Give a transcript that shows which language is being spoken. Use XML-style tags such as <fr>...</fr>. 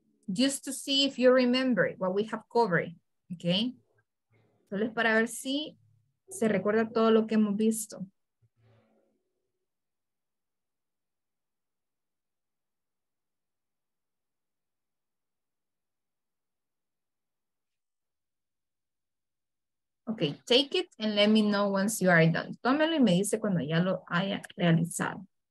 <en>Just to see if you remember what we have covered. Okay.</en> <es>Solo es para ver si se recuerda todo lo que hemos visto.</es> <en>Okay, take it and let me know once you are done.</en> <es>Tómelo y me dice cuando ya lo haya realizado.</es>